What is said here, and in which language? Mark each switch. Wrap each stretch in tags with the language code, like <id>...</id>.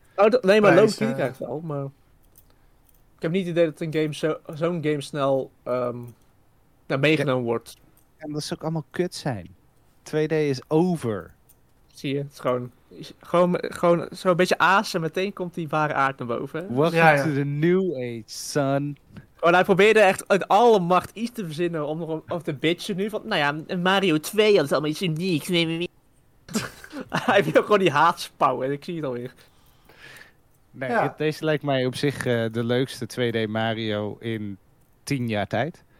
<nl>Oh, nee, maar logisch vind ik eigenlijk wel, maar... Ik heb niet het idee dat een game zo'n game snel naar meegenomen wordt. En dat zou ook allemaal kut zijn. 2D is over. Zie je, het is gewoon zo'n beetje aasen. Meteen komt die ware aard naar boven.</nl> <en>Welcome to the new age, son.</en> <nl>Oh, hij probeerde echt uit alle macht iets te verzinnen om nog te bitchen nu. Van, nou ja, Mario 2 had het allemaal iets unieks. Hij wil gewoon die haatspouwen, ik zie het alweer. Nee, ja. Deze lijkt mij op zich de leukste 2D Mario in 10 jaar tijd.</nl>